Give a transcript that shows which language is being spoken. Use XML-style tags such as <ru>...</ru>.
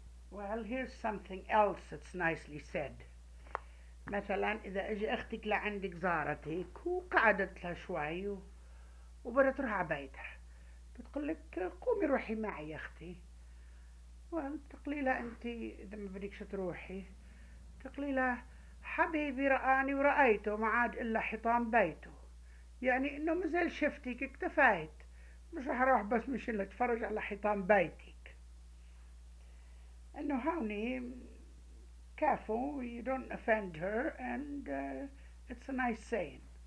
<en>Well, here's something else that's nicely said.</en> <ar>مثلا إذا أجي أختك لعندك زارتك وقعدت لها شوي وبدها تروح على بيتها بتقول لك قومي روحي معي يا أختي. Well, تقلي لها أنت إذا ما بدكش تروحي تقلي لها حبيبي رآني ورأيته ما عاد إلا حيطان بيته. يعني إنه مازال شفتك اكتفيت مش رح أروح بس مش إلا أتفرج على حيطان بيتي.</ar> <en>And honey, careful, you don't offend her, and it's a nice saying.</en>